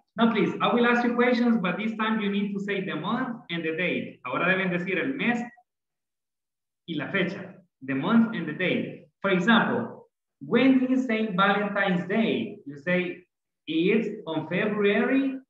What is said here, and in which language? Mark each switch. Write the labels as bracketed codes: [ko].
[en] Now, please, I will ask you questions, but this time you need to say the month and the date. [es] Ahora deben decir el mes y la fecha. [en] The month and the date. For example, when you say Valentine's Day, you say it's on February